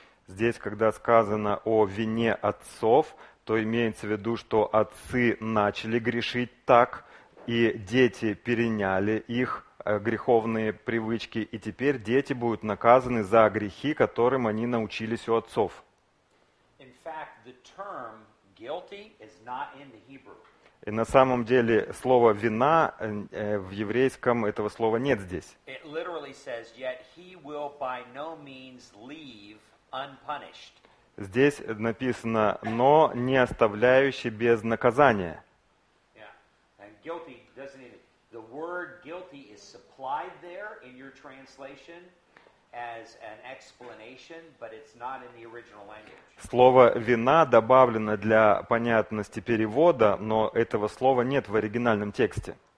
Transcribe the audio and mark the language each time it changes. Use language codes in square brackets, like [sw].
[ru] Здесь, когда сказано о вине отцов, то имеется в виду, что отцы начали грешить так, и дети переняли их греховные привычки, и теперь дети будут наказаны за грехи, которым они научились у отцов. [en] In fact, the term guilty is not in the Hebrew. [ru] И на самом деле слово «вина» в еврейском этого слова нет здесь. [en] It literally says, yet he will by no means leave unpunished. [ru] Здесь написано «но не оставляющий без наказания». [en] Guilty doesn't even. The word guilty is supplied there in your translation as an explanation, but it's not in the original language. [ru] Слово вина добавлено для понятности перевода, но этого слова нет в оригинальном тексте.